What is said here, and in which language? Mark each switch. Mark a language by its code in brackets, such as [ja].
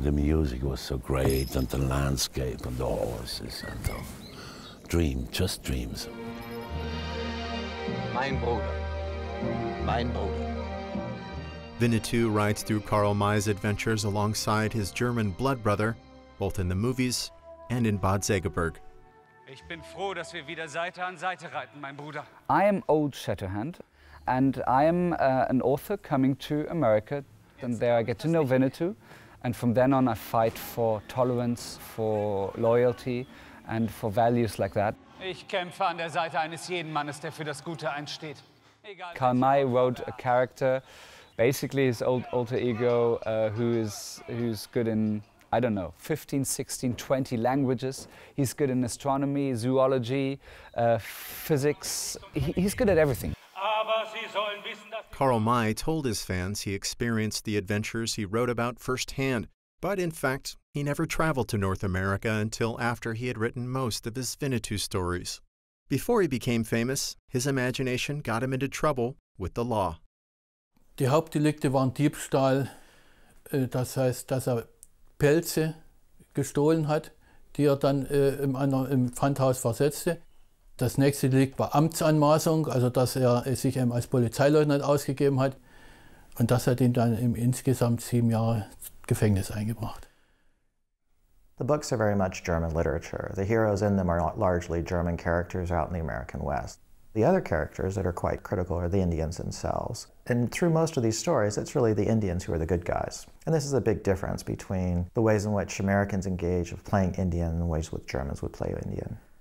[en] The music was so great, and the landscape, and the horses, and the dream, just dreams. [de] Mein Bruder, mein Bruder. [en] Winnetou rides through Karl May's adventures alongside his German blood brother, both in the movies and in Bad Segeberg. [de] Ich bin froh, dass wir wieder Seite an Seite reiten, mein Bruder. [en] I am Old Shatterhand, and I am an author coming to America. And there I get to know Winnetou, and from then on I fight for tolerance, for loyalty, and for values like that. [de] Ich kämpfe an der Seite eines jeden Mannes, der für das Gute einsteht. [en] Egal, Karl May wrote a character, basically his old alter ego, who's good in, I don't know, 15, 16, 20 languages. He's good in astronomy, zoology, physics. He's good at everything. Karl May told his fans he experienced the adventures he wrote about firsthand. But in fact, he never traveled to North America until after he had written most of his Winnetou stories. Before he became famous, his imagination got him into trouble with the law. [de] Die Hauptdelikte waren Diebstahl, das heißt, dass er Pelze gestohlen hat, die er dann im Pfandhaus versetzte. Das nächste Delikt war Amtsanmaßung, also dass er sich eben als Polizeileutnant ausgegeben hat. Und das hat ihn dann insgesamt 7 Jahre Gefängnis eingebracht. [en] The books are very much German literature. The heroes in them are largely German characters out in the American West. The other characters that are quite critical are the Indians themselves. And through most of these stories, it's really the Indians who are the good guys. And this is a big difference between the ways in which Americans engage with playing Indian and the ways which Germans would play Indian.